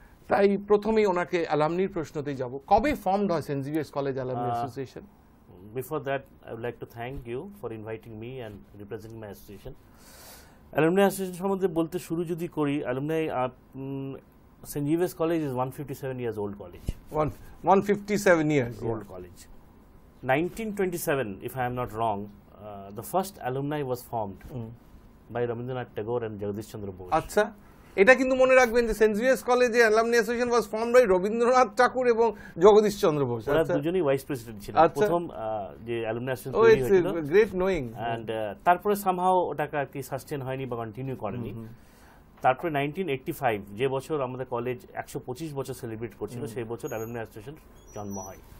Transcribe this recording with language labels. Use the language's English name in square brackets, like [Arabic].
[Bangla] তাই প্রথমেই ওনাকে অ্যালামনির প্রশ্নতেই যাব, কবে ফর্মড হয় Saint Xavier's college alumni association? [English] Before that, I would like to thank you for inviting me and representing my association. [Bangla] Alumni association সম্বন্ধে বলতে শুরু যদি করি, alumni Saint Xavier's college [English] Is 157 years old college. 157 years old college. 1927, if I am not wrong, the first alumni was formed by Rabindranath Tagore and Jagadish Chandra Bose. [Bangla] Achha. এটা কিন্তু মনে রাখবেন যে সেন্ট জেভিয়ার্স কলেজে alumni association [English] was formed by [Bangla] Rabindranath ঠাকুর এবং জগদীশ চন্দ্র বসু, দুজনেই vice president ছিলেন প্রথম যে অ্যালামনি অ্যাসোসিয়েশন তৈরি হয়েছিল। [English] It's great knowing. [Bangla] এন্ড তারপরে সামহাও ওটাকে আর কি সাসটেইন হয়নি বা কন্টিনিউ করেনি। তারপরে 1985 যে বছর আমাদের কলেজ 125 বছর সেলিব্রেট করছিল সেই বছর অ্যালামনি অ্যাসোসিয়েশন জন্ম হয়।